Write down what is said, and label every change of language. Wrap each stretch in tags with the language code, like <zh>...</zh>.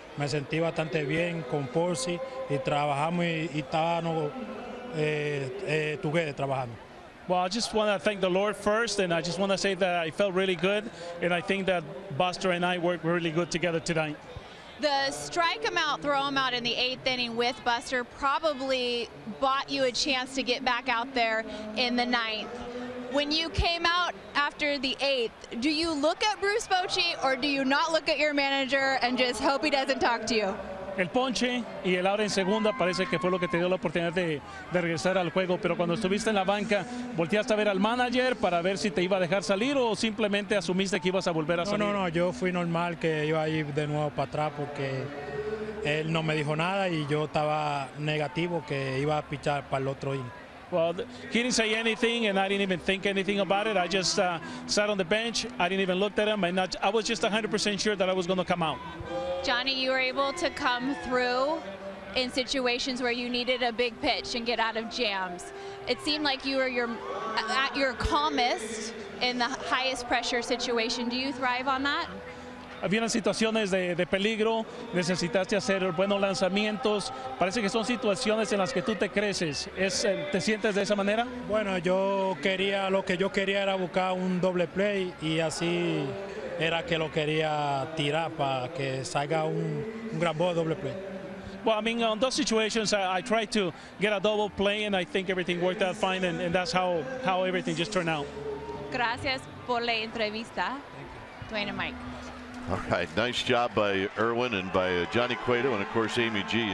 <es>Me sentí bastante bien con Posey y trabajamos y estábamos together trabajando.</es> <en>Well, I just want to thank the Lord first, and I just want to say that I felt really good, and I think that Buster and I worked really good together tonight. The strike him out, throw him out in the eighth inning with Buster probably bought you a chance to get back out there in the ninth. When you came out after the eighth, do you look at Bruce Bochy or do you not look at your manager and just hope he doesn't talk to you?</en> <es>El ponche y el out en segunda parece que fue lo que te dio la oportunidad de regresar al juego, pero cuando estuviste en la banca, ¿volteaste a ver al manager para ver si te iba a dejar salir o simplemente asumiste que ibas a volver a salir? No, yo fui normal que iba a ir de nuevo para atrás porque él no me dijo nada y yo estaba negativo que iba a pichar para el otro inning.</es> <en>Well, he didn't say anything, and I didn't even think anything about it. I just sat on the bench. I didn't even look at him, and I was just 100% sure that I was going to come out. Johnny, you were able to come through in situations where you needed a big pitch and get out of jams. It seemed like you were at your calmest in the highest pressure situation. Do you thrive on that?</en> <es>Habían situaciones de peligro, necesitaste hacer buenos lanzamientos. Parece que son situaciones en las que tú te creces. ¿Te sientes de esa manera? Bueno, lo que yo quería era buscar un doble play y así era que lo quería tirar para que salga un gran bowl doble play.</es> <en>Well, I mean, on those situations, I tried to get a double play and I think everything worked out fine and that's how everything just turned out.</en> <es>Gracias por la entrevista. Dwayne and Mike.</es> <en>All right. Nice job by Irwin and by Johnny Cueto and, of course, Amy G.</en>